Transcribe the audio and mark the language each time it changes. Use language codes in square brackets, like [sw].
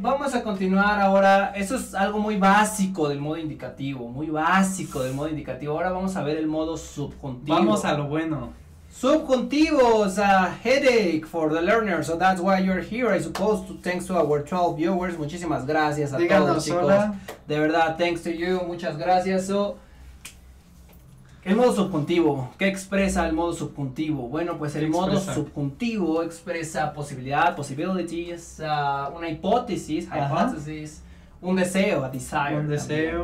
[es] Vamos a continuar ahora, eso es algo muy básico del modo indicativo, ahora vamos a ver el modo subjuntivo. Vamos a lo bueno. [en] Subjuntivo is a headache for the learner, so that's why you're here, I suppose, thanks to our 12 viewers, [es] muchísimas gracias a díganos todos, chicos. Hola. De verdad, [en] thanks to you, [es] muchas gracias. So, el modo subjuntivo, ¿qué expresa el modo subjuntivo? Bueno, pues el modo subjuntivo expresa possibilities, una hipótesis, un deseo, [en] a desire. [es] Un deseo.